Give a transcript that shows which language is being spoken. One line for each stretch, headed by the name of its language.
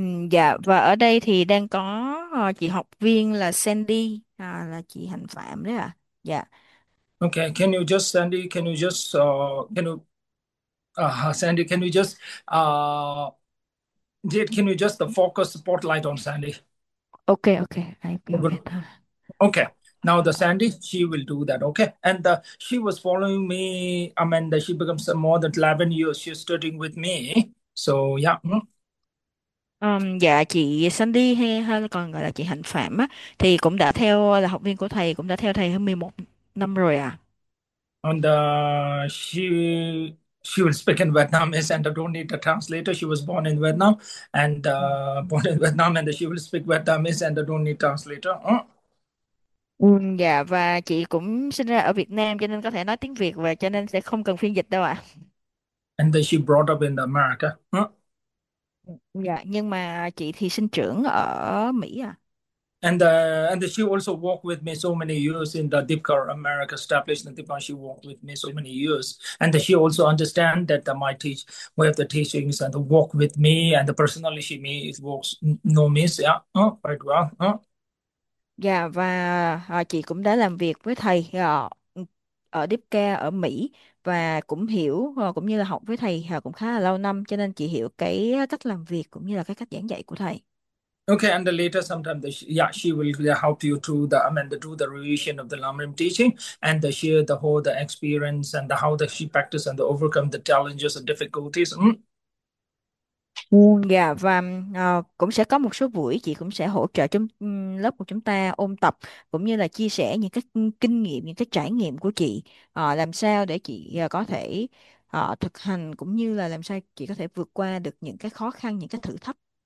Vietnamese: Dạ, và ở đây thì đang có chị học viên là Sandy, là chị Hành Phạm đấy ạ. Dạ.
English: Okay, can you just Sandy? Can you just can you Sandy? Can you just can you just the focus spotlight on Sandy? Ok, I will Good. get her. Okay. Now the Sandy, she will do that, okay? And she was following me. I mean, that she becomes more than 11 years. She's studying with me. So yeah.
Vietnamese: Dạ, chị Sandy hay còn gọi là chị Hạnh Phạm á, thì cũng đã theo, là học viên của thầy, cũng đã theo thầy hơn 11 năm rồi à.
English: And she will speak in Vietnamese and don't need a translator. She was born in Vietnam and born in Vietnam and she will speak Vietnamese and don't need translator.
Vietnamese: Dạ, và chị cũng sinh ra ở Việt Nam cho nên có thể nói tiếng Việt và cho nên sẽ không cần phiên dịch đâu ạ.
English: And then she brought up in America, huh?
Vietnamese: Dạ, nhưng mà chị thì sinh trưởng ở Mỹ ạ.
English: And she also worked with me so many years in the Deepcar America established in Deepcar. She worked with me so many years, and she also understand that my teach way of the teachings and the work with me and the personality she me it works no miss yeah quite well
Vietnamese: Dạ, và chị cũng đã làm việc với thầy ở Deepcare ở Mỹ và cũng hiểu cũng như là học với thầy cũng khá là lâu năm cho nên chị hiểu cái cách làm việc cũng như là cái cách giảng dạy của thầy.
English: Okay, and later sometime, she will help you to the, I mean, the do the revision of the Lamrim teaching and the share the whole the experience and the how that she practice and the overcome the challenges and difficulties.
Vietnamese: Dạ, và cũng sẽ có một số buổi chị cũng sẽ hỗ trợ trong lớp của chúng ta ôn tập cũng như là chia sẻ những cái kinh nghiệm, những cái trải nghiệm của chị làm sao để chị có thể thực hành cũng như là làm sao chị có thể vượt qua được những cái khó khăn, những cái thử thách.